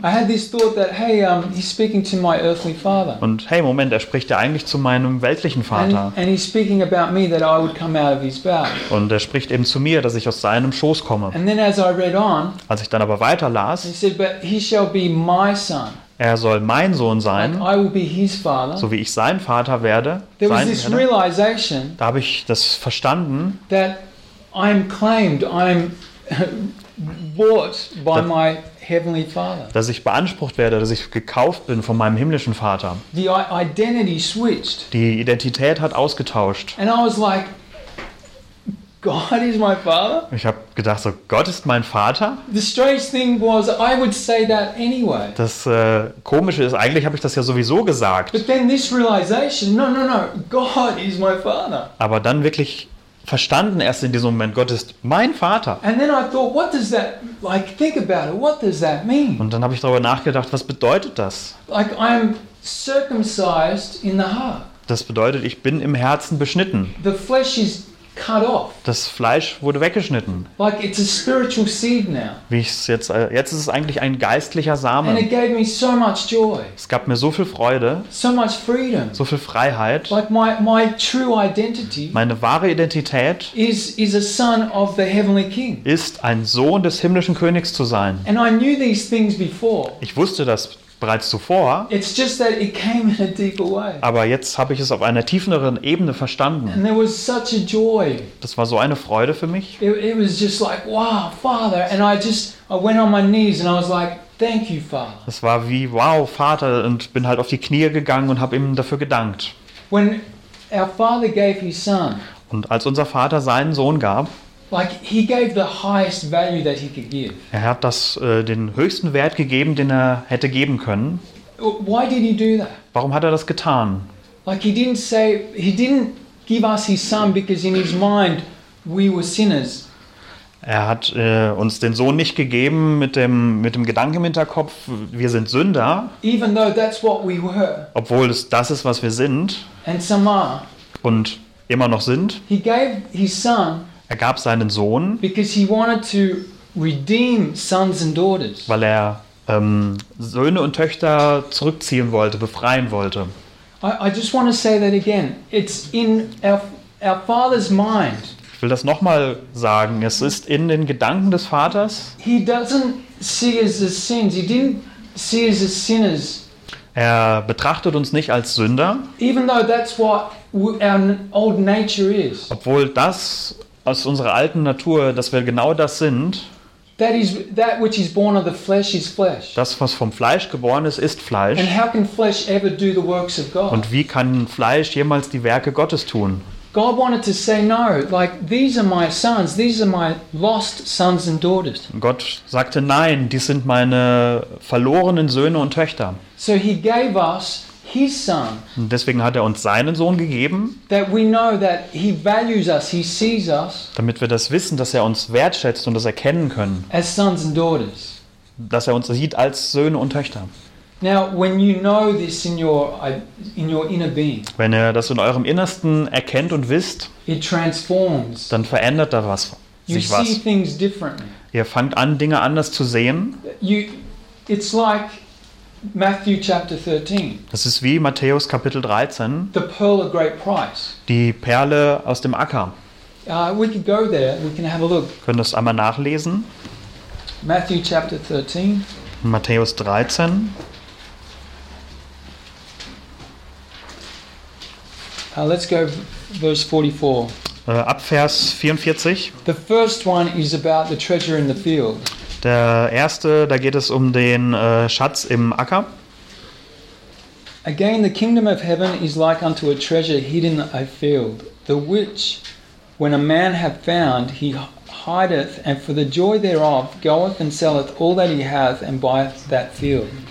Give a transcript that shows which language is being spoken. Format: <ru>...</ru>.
<en>I had this thought that, hey, he's speaking to my earthly father.</en> <de>Und hey, Moment, er spricht ja eigentlich zu meinem weltlichen Vater.</de> <en>And he's speaking about me that I would come out of his bowels.</en> <de>Und er spricht eben zu mir, dass ich aus seinem Schoß komme.</de> <en>And then as I read on,</en> <de>als ich dann aber weiter las,</de> <en>he said, but he shall be my son.</en> <de>Er soll mein Sohn sein,</de> <en>like I will be his father.</en> <de>So wie ich sein Vater werde.</de> <en>There was this realization,</en> <de>da habe ich das verstanden,</de> <en>that I'm claimed, I'm bought by my heavenly father.</en> <de>Dass ich beansprucht werde, dass ich gekauft bin von meinem himmlischen Vater.</de> <en>The identity switched.</en> <de>Die Identität hat ausgetauscht.</de> <en>And I was like, God is my father?</en> <de>Ich habe gedacht, so Gott ist mein Vater.</de> <en>The strange thing was, I would say that anyway.</en> <de>Das Komische ist, eigentlich habe ich das ja sowieso gesagt.</de> <en>But then this realization, no, God is my father.</en> <de>Aber dann wirklich verstanden erst in diesem Moment, Gott ist mein Vater.</de> <en>And then I thought, what does that, like, think about it, what does that mean?</en> <de>Und dann habe ich darüber nachgedacht, was bedeutet das?</de> <en>Like, I'm circumcised in the heart.</en> <de>Das bedeutet, ich bin im Herzen beschnitten.</de> <en>The flesh is cut off.</en> <de>Das Fleisch wurde weggeschnitten.</de> <en>Like it's a spiritual seed now.</en> <de>Wie ich es jetzt ist es eigentlich ein geistlicher Samen.</de> <en>And it gave me so much joy.</en> <de>Es gab mir so viel Freude.</de> <en>So much freedom.</en> <de>So viel Freiheit.</de> <en>Like my true identity.</en> <de>Meine wahre Identität</de> <en>is a son of the heavenly king.</en> <de>Ist ein Sohn des himmlischen Königs zu sein.</de> <en>And I knew these things before.</en> <de>Ich wusste das bereits zuvor.</de> <en>It's just that it came in a deeper way.</en> <de>Aber jetzt habe ich es auf einer tieferen Ebene verstanden.</de> <en>And there was such a joy.</en> <de>Das war so eine Freude für mich.</de> <en>It was just like, wow, Father, and I went on my knees and I was like, thank you, Father.</en> <de>Das war wie, wow, Vater, und bin halt auf die Knie gegangen und habe ihm dafür gedankt.</de> <en>When our Father gave his Son.</en> <de>Und als unser Vater seinen Sohn gab.</de> <en>Like he gave the highest value that he could give.</en> <de>Er hat das den höchsten Wert gegeben, den er hätte geben können.</de> <en>Why did he do that?</en> <de>Warum hat er das getan?</de> <en>Like he didn't say he didn't give us his son because in his mind we were sinners.</en> <de>Er hat uns den Sohn nicht gegeben mit dem Gedanken im Hinterkopf, wir sind Sünder.</de> <en>Even though that's what we were.</en> <de>Obwohl es das ist, was wir sind.</de> <en>And some are.</en> <de>Und immer noch sind.</de> <en>He gave his son.</en> <de>Er gab seinen Sohn,</de> <en>because he wanted to redeem sons and daughters.</en> <de>Weil er Söhne und Töchter zurückziehen wollte, befreien wollte.</de> <en>I just want to say that again. It's in our father's mind.</en> <de>Ich will das nochmal sagen. Es ist in den Gedanken des Vaters.</de> <en>He doesn't see us as sins. He didn't see us as sinners.</en> <de>Er betrachtet uns nicht als Sünder.</de> <en>Even though that's what our old nature is.</en> <de>Obwohl das aus unserer alten Natur, dass wir genau das sind.</de> <en>That is that which is born of the flesh is flesh.</en> <de>Das was vom Fleisch geboren ist, ist Fleisch.</de> <en>And how can flesh ever do the works of God?</en> <de>Und wie kann Fleisch jemals die Werke Gottes tun?</de> <en>God wanted to say no, like these are my sons, these are my lost sons and daughters.</en> <de>Gott sagte nein, dies sind meine verlorenen Söhne und Töchter.</de> <en>So he gave us his son.</en> <de>Und deswegen hat er uns seinen Sohn gegeben.</de> <en>That we know that he values us, he sees us.</en> <de>Damit wir das wissen, dass er uns wertschätzt und das erkennen können.</de> <en>As sons and daughters.</en> <de>Dass er uns sieht als Söhne und Töchter.</de> <en>Now when you know this in your inner being.</en> <de>Wenn ihr das in eurem Innersten erkennt und wisst,</de> <en>it transforms.</en> <de>Dann verändert da was.</de> <en>You</en> <de>sich was.</de> <en>See things differently.</en> <de>Ihr fangt an Dinge anders zu sehen.</de> <en>It's like Matthew chapter 13.</en> <de>Das ist wie Matthäus Kapitel 13.</de> <en>The pearl of great price.</en> <de>Die Perle aus dem Acker.</de> <en>We can go there, we can have a look.</en> <de>Können das einmal nachlesen?</de> <en>Matthew chapter 13.</en> <de>Matthäus 13.</de> <en>Let's go verse 44.</en> <de>Ab Vers 44.</de> <en>The first one is about the treasure in the field.</en> <de>Der erste, da geht es um den Schatz im Acker.</de> <en>Again, the kingdom of heaven is like unto a treasure hid in a field, the which, when a man hath found, he hideth, and for the joy thereof goeth and selleth all that he hath and buyeth that field.</en>